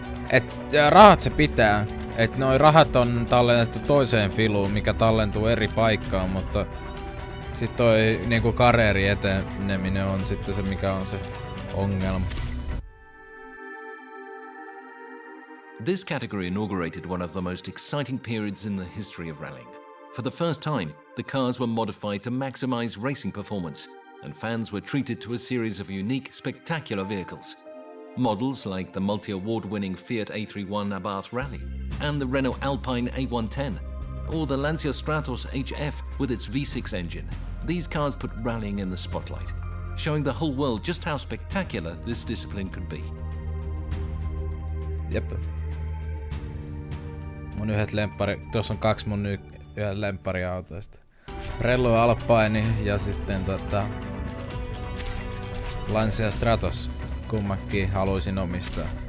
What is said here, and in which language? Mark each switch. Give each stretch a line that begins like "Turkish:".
Finnish: Et rahat se pitää. Et noi rahat on tallennettu toiseen filuun, mikä tallentuu eri paikkaan, mutta sit toi niinku kareeri eteneminen on sitten se, mikä on se ongelma.
English: This category inaugurated one of the most exciting periods in the history of rallying. For the first time, the cars were modified to maximize racing performance, and fans were treated to a series of unique, spectacular vehicles. Models like the multi-award-winning Fiat A31 Abarth Rally, and the Renault Alpine A110, or the Lancia Stratos HF with its V6 engine. These cars put rallying in the spotlight, showing the whole world just how spectacular this discipline could be. Yep.
Finnish: Mun yhdet lemppari, tuossa on kaksi mun yhdet lemppariautoista. Renault Alpine ja sitten Lancia Stratos, kummakin haluaisin omistaa.